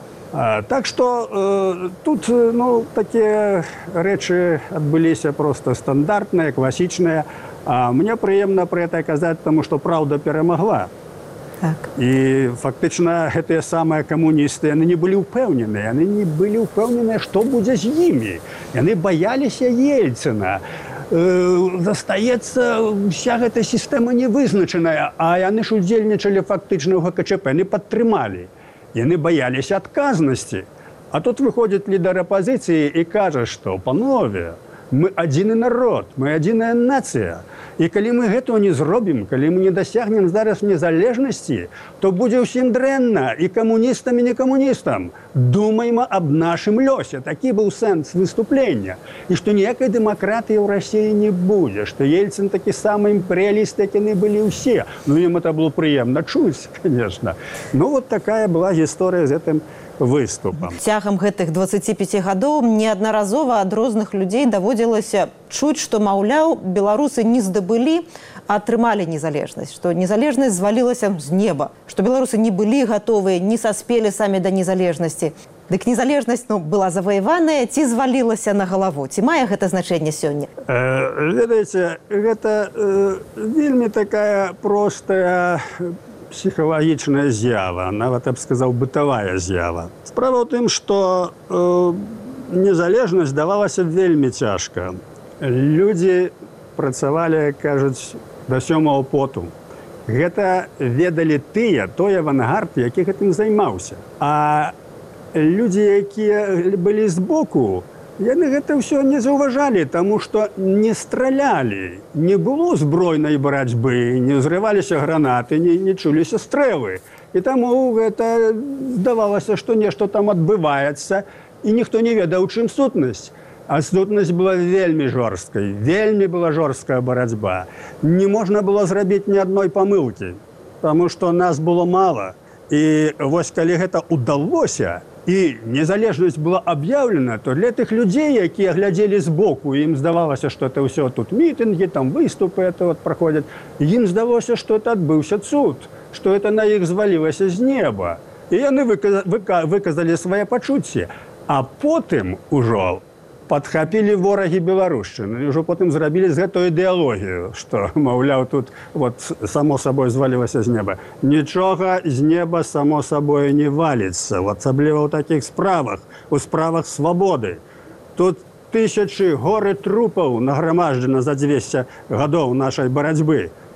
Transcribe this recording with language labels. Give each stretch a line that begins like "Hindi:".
Russian: Так что тут ну, такие речи отбылись просто стандартные, классичные. А мне приятно про это сказать, потому что правда перемогла. Так. И фактично это самые коммунисты, они не были уверены, они не были уверены, что будет с ними. И они боялись Ельцина.
Belarusian: Застаецца вся эта система невызначенная, а яны ж удзельнічалі фактычна ў ГКЧП, яны падтрымалі, яны баяліся адказнасці. А тут выходзіць лідар апазіцыі і кажа, што панове, мы адзіны народ, мы адзіная нацыя. І калі мы гэтага не зробім, калі мы не дасягнем зараз незалежнасці, то будзе ўсім дрэнна, і камуністам, і не камуністам. Думаем аб нашым лёсе. Такі быў сэнс выступлення. І што ніякай дэмакратыі ў Расіі не будзе, што Ельцін такі самы імперыяліст, як яны былі ўсе. Ну, ім это было прыемна чуць, канешна. Ну, вот такая была гісторыя з гэтым выступам. Цягам гэтых 25 гадоў неаднаразова ад розных людзей даводзілася чуць, што, маўляў, беларусы не здабылі, а атрымалі незалежнасць, што незалежнасць звалілася з неба, што беларусы не былі гатовыя, не саспелі самі да незалежнасці. Дык незалежнасць ну, была заваяваная ці звалілася на галаву? Ці мае гэта значэнне сёння? Ведаеце, гэта вельмі такая простая психологичная з'ява, нават,
Russian: я б сказал,
Belarusian: бытовая з'ява.
Russian: Справа в том, что незалежность давалася вельми тяжко.
Belarusian: Люди працавали, кажуть, до сьомого поту. Гэта ведали тыя, той авангард, які гэтым займаўся. А люди, якія былі збоку, яны гэта ўсё не заўважалі, таму што не стралялі, не было збройнай барацьбы, не ўзрываліся гранаты, не чуліся стрэлы. І таму гэта здавалася, што нешта там адбываецца, і ніхто не ведаў, чым сутнасць. А сутнасць была вельмі жорсткай, вельмі была жорсткая барацьба. Не можна было зрабіць ні адной памылкі, таму што нас было мала. І вось калі гэта ўдалося,
Russian: и незалежность была объявлена, то для этих людей, которые глядели сбоку, им сдавалось, что это все тут митинги, там выступы это вот проходят, им сдавалось, что это отбылся цуд, что это на их звалилось из неба. И они выказали свои почутия. А потом уже
Belarusian: подхапілі ворагі Беларушчыны. І ўжо потым зрабілі з гэтую ідэалогію, што, маўляў, тут вот, само сабой звалілася з неба. Нічога з неба само сабой не валіцца, асабліва ў такіх справах, у справах свабоды. Тут тысячы горы трупаў награмаджана за 200 гадоў нашай барацьбы.